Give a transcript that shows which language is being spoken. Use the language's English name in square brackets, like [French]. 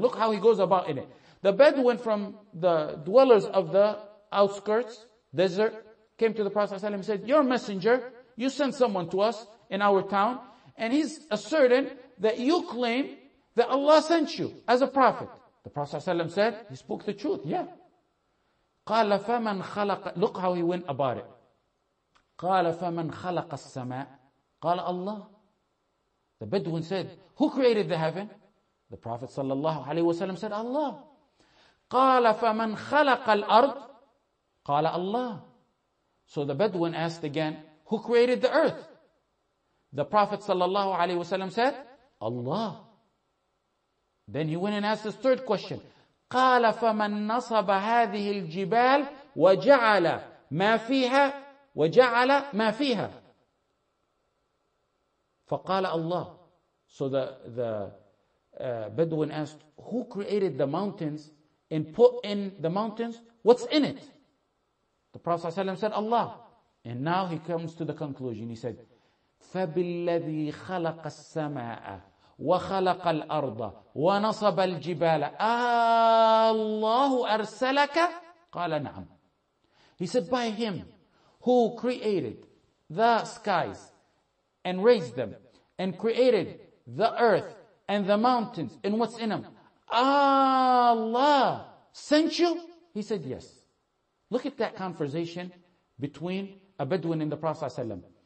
[English] Look how he goes about in it. The Bedouin from the dwellers of the outskirts, desert, came to the Prophet ﷺ and said, your messenger, you send someone to us in our town, and he's asserting that you claim that Allah sent you as a prophet. The Prophet ﷺ said, he spoke the truth. Yeah. [Arabic] قَالَ فَمَنْ خَلَقَ [English] Look how he went about it. [Arabic] قَالَ فَمَنْ خَلَقَ السَّمَاءِ قَالَ Allah. [English] The Bedouin said, who created the heaven? The Prophet ﷺ said, Allah. [Arabic] قَالَ فَمَنْ خَلَقَ الْأَرْضِ قَالَ Allah. [English] So the Bedouin asked again, who created the earth? The Prophet ﷺ said, Allah. Then he went and asked his third question. [Arabic] قَالَ فَمَنْ نَصَبَ هَذِهِ الْجِبَالِ وَجَعَلَ مَا فِيهَا وَجَعَلَ مَا فِيهَا فَقَالَ Allah. [English] So the Bedouin asked, who created the mountains and put in the mountains? What's in it? The Prophet ﷺ said, Allah. And now he comes to the conclusion. [Arabic] He said, فَبِالَّذِي خَلَقَ السَّمَاءَ وَخَلَقَ الْأَرْضَ وَنَصَبَ الْجِبَالَ أَاللَّهُ أَرْسَلَكَ قَالَ نَعَمْ. [English] He said, by him who created the skies and raised them and created the earth and the mountains and what's in them, Allah sent you? He said, yes. Look at that conversation between a Bedouin and the Prophet ﷺ.